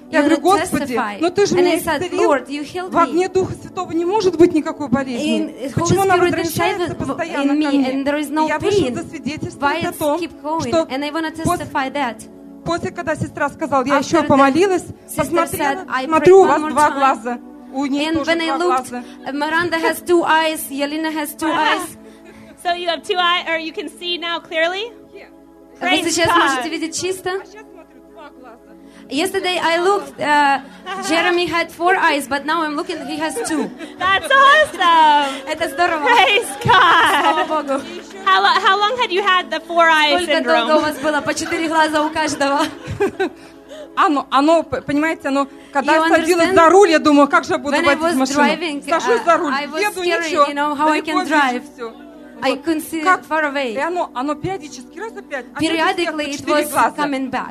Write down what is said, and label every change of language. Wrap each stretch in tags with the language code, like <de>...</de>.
<ru>Я говорю, Господи, но ты же меня исцелил. В огне Духа Святого не может быть никакой болезни. Почему она возвращается постоянно ко мне? И я вышла засвидетельствовать о том, что после, когда сестра сказала, я еще помолилась, посмотрела, смотрю, у вас 2 глаза. У нее тоже 2 глаза.</ru> <en>Миранда has 2 eyes, Елена has 2 eyes. So you have 2 eyes, or you can see now clearly? Yeah.</en> <ru>Вы сейчас можете видеть чисто?</ru> <en>Yesterday I looked, Jeremy had 4 eyes, but now I'm looking, he has 2. That's awesome!</en> <ru>Это здорово!</ru> <en>Praise God!</en> <ru>Слава Богу!</ru> <en>How long had you had the 4 eye syndrome?</en> <ru>Сколько долго у вас было? По 4 глаза у каждого. Оно, понимаете, оно, когда я садилась за руль, я думала, как же я буду водить машину? Сажусь за руль, еду, ничего, далеко.</ru> <en>I couldn't see it far away. Periodically it was coming back.</en>